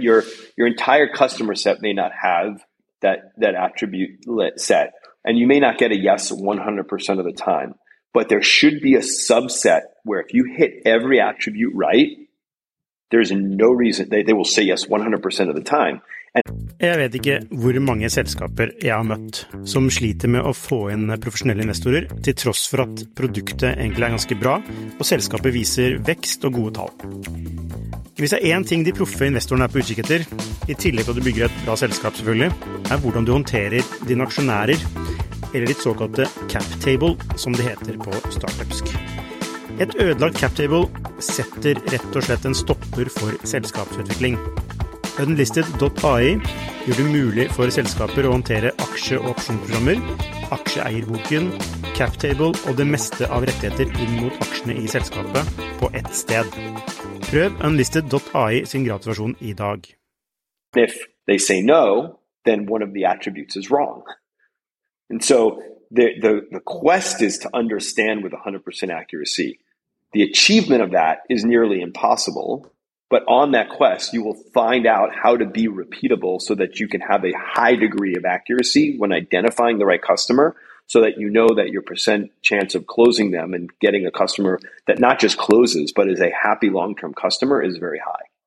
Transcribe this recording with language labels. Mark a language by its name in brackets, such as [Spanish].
[English] Your entire customer set may not have that attribute set. And you may not get a yes 100% of the time. But there should be a subset where if you hit every attribute right, there's no reason they will say yes 100% of the time. [Norwegian] Jeg vet ikke hvor mange selskaper jeg har møtt som sliter med å få inn profesjonelle investorer til tross for at produktet egentlig ganske bra og selskapet viser vekst og gode tall. Hvis det en ting de proffe investorene på utkikk etter, I tillegg til at du bygger et bra selskap selvfølgelig, hvordan du håndterer dine aksjonærer, eller ditt såkalte cap table, som det heter på startupsk. Et ødelagt cap table setter rett og slett en stopper for selskapsutvikling. Unlisted.ai gjør det mulig for selskaper å håndtere aksje- og opsjonsprogrammer, aksjeeierboken, cap table og det meste av rettigheter inn mot aksjene I selskapet på ett sted. Prøv unlisted.ai sin gratis versjon I dag. [English] If they say no, then one of the attributes is wrong. And so the quest is to understand with 100% accuracy. The achievement of that is nearly impossible. But on that quest, you will find out how to be repeatable so that you can have a high degree of accuracy when identifying the right customer so that you know that your percent chance of closing them and getting a customer that not just closes, but is a happy long-term customer is very high.